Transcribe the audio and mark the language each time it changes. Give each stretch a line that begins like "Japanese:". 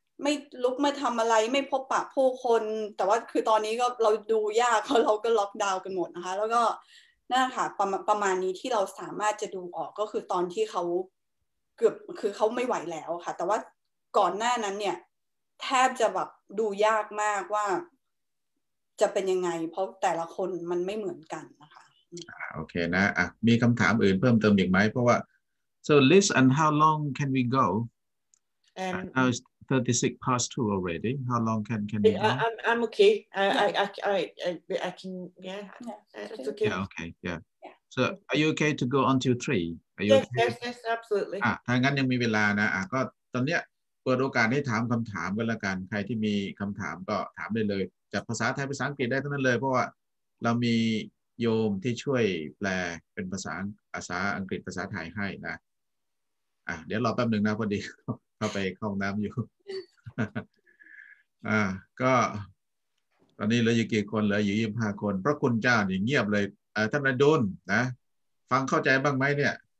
Thai: ลุกมาทำอะไรไม่พบปะผู้คนแต่ว่าคือตอนนี้ก็เราดูยากเพราะเราก็ล็อกดาวน์กันหมดนะคะแล้วก็นั่นค่ะประมาณนี้ที่เราสามารถจะดูออกก็คือตอนที่เขาเกือบคือเขาไม่ไหวแล้วค่ะแต่ว่าก่อนหน้านั้นเนี่ยแทบจะแบบดูยากมากว่าจะเป็นยังไงเพราะแต่ละคนมันไม่เหมือนกันนะคะ โอเคนะอ่ะมีคำถามอื่นเพิ่มเติมอีกไหมเพราะว่า
English: so list and how long can we go now it's 36 past 2 already how long can we go I'm okay I can okay so are you okay to go until 3 Yes, absolutely.
Thai: ถ้างั้นยังมีเวลานะก็ตอนเนี้ยเปิดโอกาสให้ถามคำถามกันละกันใครที่มีคำถามก็ถามได้เลยจากภาษาไทยภาษาอังกฤษได้ทั้งนั้นเลยเพราะว่าเรามีโยมที่ช่วยแปลเป็นภาษาอังกฤษภาษาไทยให้นะเดี๋ยวรอแป๊บหนึ่งนะพอดีเข้าไปเข้าห้องน้ำอยู่ก็ตอนนี้เหลืออยู่กี่คนเหลืออยู่25คนพระคุณเจ้าอย่างเงียบเลยท่านนายโดนนะฟังเข้าใจบ้างไหมเนี่ย